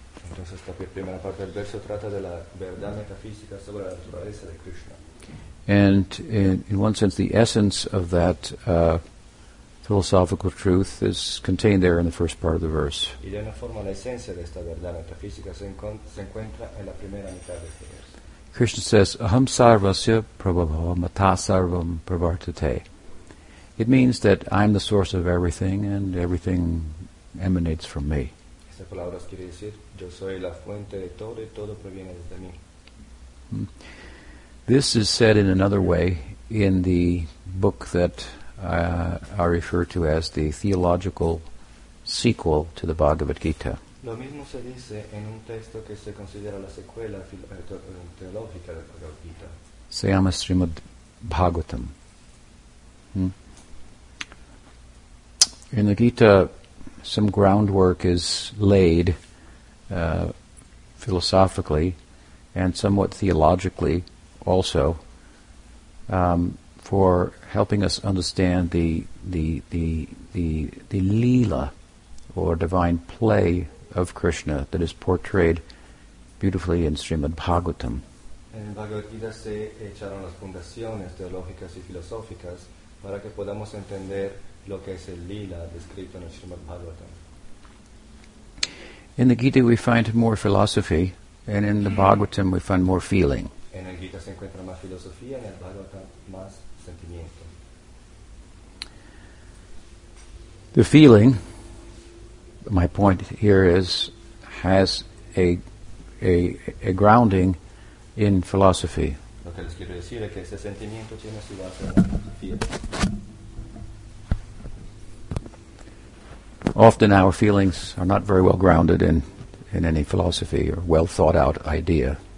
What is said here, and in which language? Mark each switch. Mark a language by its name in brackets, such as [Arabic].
[Spanish] Entonces la primera parte del verso trata de la verdad metafísica sobre la naturaleza de Krishna. [English] And in one sense, the essence of that philosophical truth is contained there in the first part of the verse. [Spanish] Y de una forma, la esencia de esta verdad metafísica se encuentra en la primera mitad de este verso. [English] Krishna says, [Sanskrit] "Aham sarvasya prabhava mata sarvam pravartate." [English] It means that I'm the source of everything, and everything emanates from me. [Spanish] Estas palabras quiere decir, yo soy la fuente de todo, y todo proviene desde mí. [English] This is said in another way in the book that I refer to as the theological sequel to the Bhagavad Gita. [Spanish] Lo mismo se dice en un texto que se considera la secuela teológica del Bhagavad Gita. Se llama Srimad Bhagavatam. [English] In the Gita, some groundwork is laid philosophically and somewhat theologically also, for helping us understand the lila, or divine play of Krishna, that is portrayed beautifully in Srimad Bhagavatam. [Spanish] En el Bhagavad Gita se echaron las fundaciones teológicas y filosóficas para que podamos entender lo que es el lila descrito en el Srimad Bhagavatam. [English] In the Gita we find more philosophy, and in the Bhagavatam we find more feeling. [Spanish] En el Gita se encuentra más filosofía, en el Bhagavatam más sentimiento. [English] The feeling, my point here is, has a grounding in philosophy. [Spanish] Lo que les quiero decir es que ese sentimiento tiene su base en la filosofía. [English] Often our feelings are not very well grounded in in any philosophy or well thought out idea.